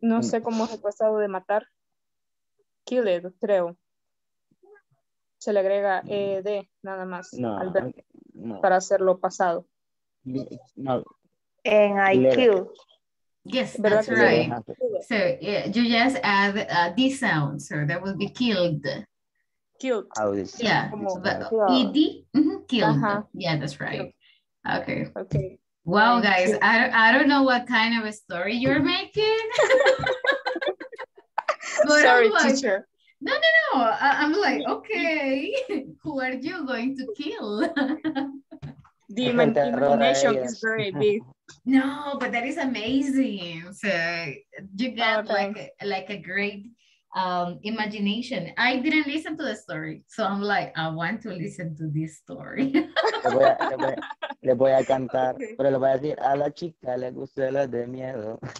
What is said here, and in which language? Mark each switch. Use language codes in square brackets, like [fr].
[es] No sé cómo es el pasado de matar. Killed, creo. Se le agrega ed nada más al verbo para hacerlo pasado. No. [en] En I killed. Yes, ¿verdad? That's right. So you just add this sound, so that would be killed. Killed. Yeah. Ed. Mm-hmm. Killed. Uh-huh. Yeah, that's right. Killed. Okay. Okay. Wow, guys, I don't know what kind of a story you're making. But sorry, like, teacher. No. I'm like, okay, who are you going to kill? The imagination is very big. No, but that is amazing. So you got like a great imagination. I didn't listen to the story. So I'm like, I want to listen to this story. [es] Le voy a cantar, okay. Pero le voy a decir a la chica le gusta la de miedo.